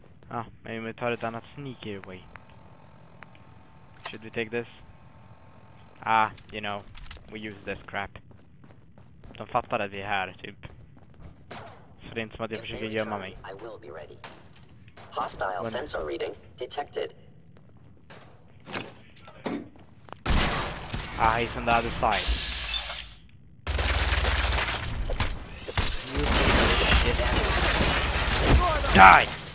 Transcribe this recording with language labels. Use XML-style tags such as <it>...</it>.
<en>Ah, maybe we take another sneaky way. Should we take this? Ah, you know, we use this crap.</en> <sv>De fattar att vi är här, typ. Så det är inte som att jag försöker gömma mig.</sv> <en>I will be ready. Hostile sensor reading detected. Ah, he's on the other side. Die!</en>